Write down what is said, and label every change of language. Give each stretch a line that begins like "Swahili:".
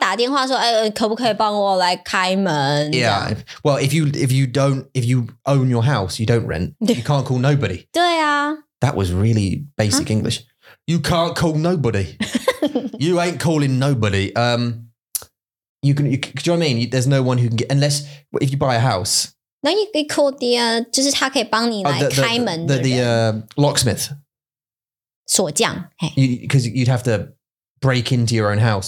Chinese: 新的钥匙，不行，因为你要付钱嘛，然后打电话说，哎，可不可以帮我来开门？
English: Yeah, well, if you own your house, you don't rent, you can't call nobody.
Chinese: 对啊,
English: that was really basic huh? English. You can't call nobody. You ain't calling nobody. Do you know what I mean? There's no one who can get... Unless... If you buy a house... Then you could call the...
Chinese: 就是他可以帮你来开门的人
English: locksmith.
Chinese: 锁匠.
English: Because you'd have to break into your own house.